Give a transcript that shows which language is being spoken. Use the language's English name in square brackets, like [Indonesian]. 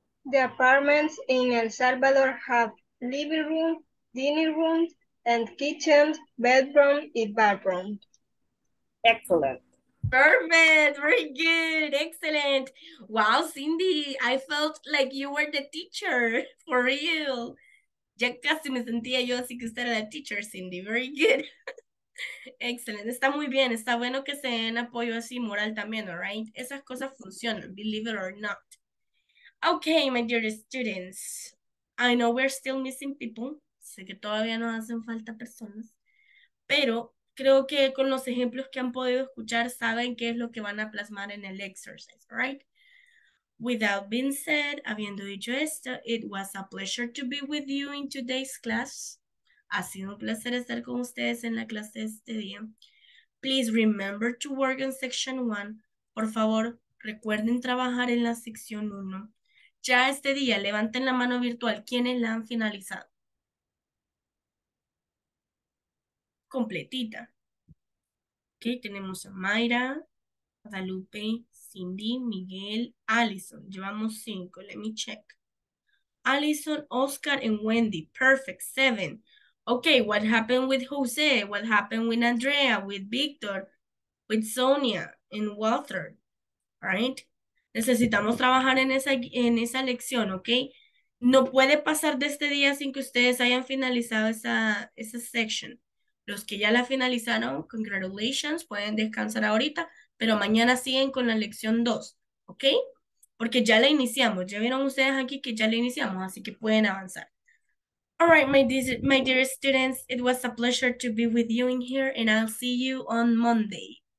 [English] The apartments in El Salvador have living room, dining room, and kitchen, bedroom, and bathroom. Excellent. Perfect. Very good. Excellent. Wow, Cindy, I felt like you were the teacher for real. [Spanish] Ya casi me sentía yo así que usted era la teacher, Cindy. [English] Very good. Excellent. [Spanish] Está muy bien. Está bueno que se den apoyo así moral también, [English] all right? [Spanish] Esas cosas funcionan, [English] believe it or not. Okay, my dear students. I know we're still missing people. [Spanish] Sé que todavía nos hacen falta personas. Pero creo que con los ejemplos que han podido escuchar, saben qué es lo que van a plasmar en el exercise, right? [English] Without being said, [Spanish] habiendo dicho esto, [English] it was a pleasure to be with you in today's class. [Spanish] Ha sido un placer estar con ustedes en la clase de este día. [English] Please remember to work on section 1. [Spanish] Por favor, recuerden trabajar en la sección 1. Ya este día, levanten la mano virtual. ¿Quiénes la han finalizado? Completita. Ok, tenemos a Mayra, Guadalupe, Cindy, Miguel, Allison. Llevamos 5. [English] Let me check. Allison, Oscar, and Wendy. Perfect. 7. Ok, what happened with Jose? What happened with Andrea, with Victor, with Sonia, and Walter? [Spanish] Right? Necesitamos trabajar en esa lección, ok? No puede pasar de este día sin que ustedes hayan finalizado esa section. Los que ya la finalizaron, congratulations, pueden descansar ahorita, pero mañana siguen con la lección 2, ¿ok? Porque ya la iniciamos, ya vieron ustedes aquí que ya la iniciamos, así que pueden avanzar. [English] All right, my dear students, it was a pleasure to be with you in here, and I'll see you on Monday.